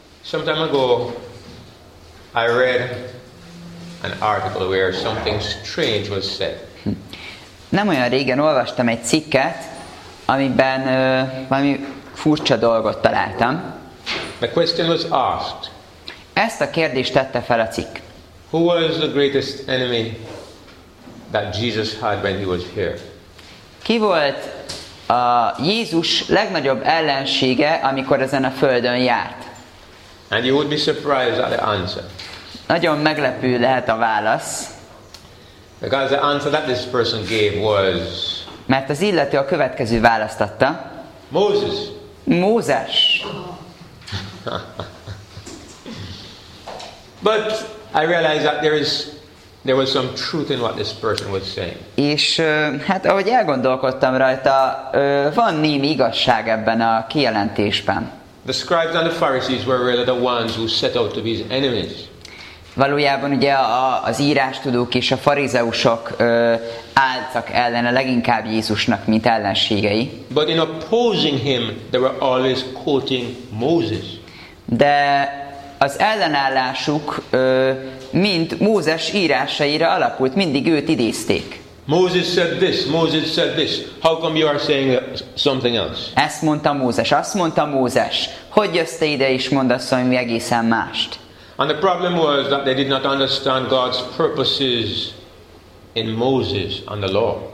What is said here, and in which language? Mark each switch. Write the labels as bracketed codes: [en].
[en] Some time ago, I read an article where something strange was said. [hu] Nem olyan régen olvastam egy cikket, amiben valami furcsa dolgot találtam. [en] The question was asked. [hu] Ezt a kérdést tette fel a cikk. [en] Who was the greatest enemy that Jesus had when he was here? [hu] Ki volt a Jézus legnagyobb ellensége, amikor ezen a földön járt? [en] And you would be surprised at the answer. [hu] Nagyon meglepő lehet a válasz. [en] Because the answer that this person gave was. [hu] Mert az illető a következő választ adta. [en] Moses. [hu] Mózes. [en] But I realized that there was some truth in what this person was saying. [hu] És hát ahogy elgondolkodtam rajta, van némi igazság ebben a kijelentésben. [en] The scribes and the Pharisees were really the ones who set out to be his enemies. [hu] Valójában ugye az írástudók és a farizeusok álltak ellene leginkább Jézusnak, mint ellenségei. [en] But in opposing him, they were always quoting Moses. [hu] De az ellenállásuk mint Mózes írásaira alapult, mindig őt idézték. [en] Moses said this, Moses said this. How come you are saying something else? [hu] Ezt mondta Mózes, azt mondta Mózes. Hogy jössz te ide és mondasz valami egészen mást? [en] And the problem was that they did not understand God's purposes in Moses and the law.